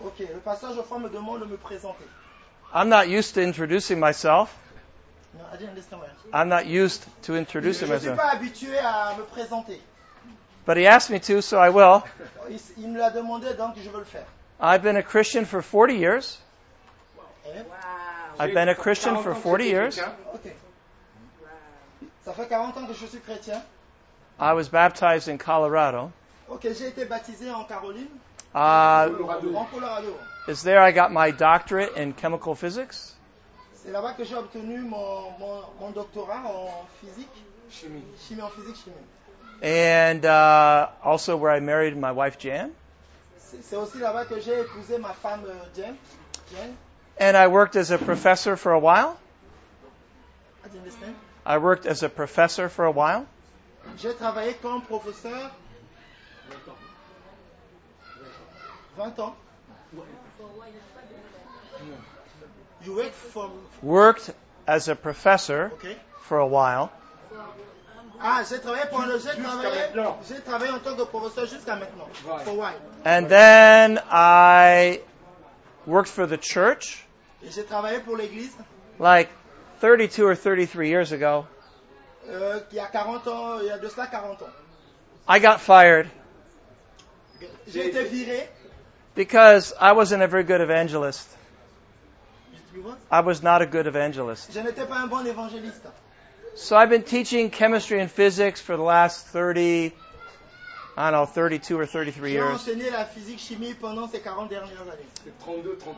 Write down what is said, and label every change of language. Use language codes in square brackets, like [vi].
[fr] Okay, le pasteur Geoffrey me demande de me présenter. [en] I'm not used to introducing myself. No, I didn't understand. I'm not used to introducing [fr] je [en] myself. [fr] Je ne suis pas habitué à me présenter. [en] But he asked me to, so I will. [fr] Il me l'a demandé, donc je veux le faire. [en] I've been a Christian for 40 years. Wow. I've been a Christian for 40 years. [fr] Okay. Ça fait 40 ans que je suis chrétien. [en] I was baptized in Colorado. [fr] Okay, j'ai été baptisé en Caroline. [en] Colorado. [fr] En Colorado. [en] Is there I got my doctorate in chemical physics? [fr] C'est là-bas que j'ai obtenu mon doctorat en physique. Chimie. Chimie en physique, chimie. [en] And also where I married my wife Jan. [fr] C'est aussi là-bas que j'ai épousé ma femme Jan. [en] And I worked as a professor for a while. I didn't understand. I worked as a professor for a while. [fr] J'ai travaillé comme professeur 20 ans. [en] You worked from worked as a professor for a while. [fr] Ah, j'ai travaillé en tant que professeur jusqu'à maintenant. [en] Right. For a while. And then I worked for the church. [fr] Et j'ai travaillé pour l'église. [en] Like 32 or 33 years ago. [fr] Il y a de cela 40 ans. [en] I got fired. [fr] J'ai été viré. [en] Because I wasn't a very good evangelist. What? I was not a good evangelist. [fr] Je n'étais pas un bon évangéliste. [en] So I've been teaching chemistry and physics for the last 32 or 33 years. [fr] J'ai enseigné la physique chimie pendant ces 40 dernières années.